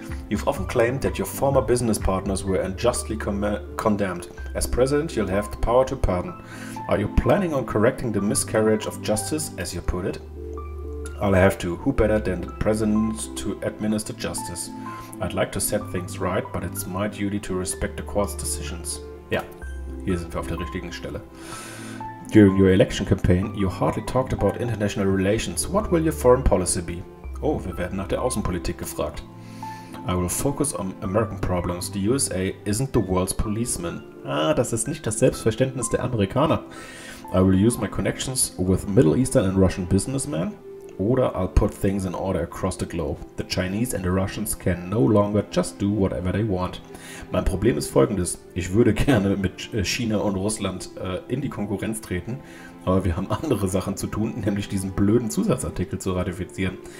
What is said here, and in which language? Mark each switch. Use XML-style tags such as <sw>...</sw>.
<en>You've often claimed that your former business partners were unjustly condemned. As president, you'll have the power to pardon. Are you planning on correcting the miscarriage of justice, as you put it? I'll have to. Who better than the president to administer justice? I'd like to set things right, but it's my duty to respect the court's decisions.</en> <de>Ja, hier sind wir auf der richtigen Stelle.</de> <en>During your election campaign, you hardly talked about international relations. What will your foreign policy be?</en> <de>Oh, wir werden nach der Außenpolitik gefragt.</de> <en>I will focus on American problems. The USA isn't the world's policeman.</en> <de>Ah, das ist nicht das Selbstverständnis der Amerikaner.</de> <en>I will use my connections with Middle Eastern and Russian businessmen.</en> <de>Oder</de> <en>I'll put things in order across the globe. The Chinese and the Russians can no longer just do whatever they want.</en> <de>Mein Problem ist folgendes. Ich würde gerne mit China und Russland in die Konkurrenz treten. Aber wir haben andere Sachen zu tun, nämlich diesen blöden Zusatzartikel zu ratifizieren.</de>